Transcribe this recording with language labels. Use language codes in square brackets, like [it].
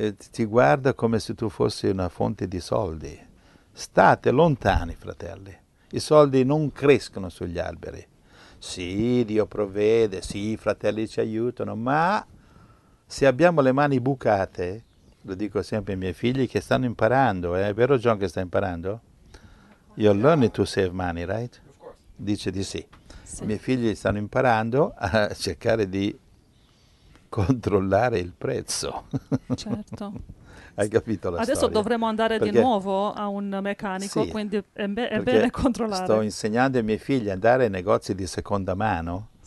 [it] Ti guarda come se tu fossi una fonte di soldi. State lontani, fratelli. I soldi non crescono sugli alberi. Sì, Dio provvede, sì, i fratelli ci aiutano, ma se abbiamo le mani bucate, lo dico sempre ai miei figli che stanno imparando, è vero John che sta imparando? [en] You learn to save money, right? [it] Dice di sì. I miei figli stanno imparando a cercare di controllare il prezzo. Certo. Hai capito la Adesso storia? dovremo andare di Perché? nuovo a un meccanico, Sì, quindi è bene perché sto controllare. insegnando ai miei figli ad andare ai negozi di seconda mano a